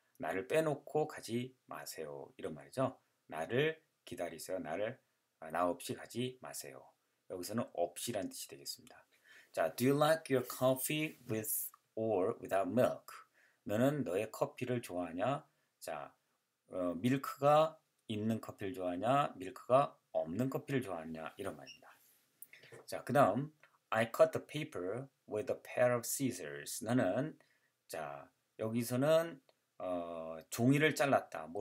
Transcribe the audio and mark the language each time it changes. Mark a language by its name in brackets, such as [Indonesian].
[Korean] 나를 빼놓고 가지 마세요. 이런 말이죠. 나를 기다리세요. 나 없이 가지 마세요. 여기서는 없이란 뜻이 되겠습니다. [English] 자, do you like your coffee with or without milk? [Korean] 너는 너의 커피를 좋아하냐? 자, 밀크가 있는 커피를 좋아하냐? 밀크가 없는 커피를 좋아하냐? 이런 말입니다. 자, 그 다음, [English] I cut the paper with a pair of scissors. [Korean] 나는, 자, 여기서는 종이를 잘랐다.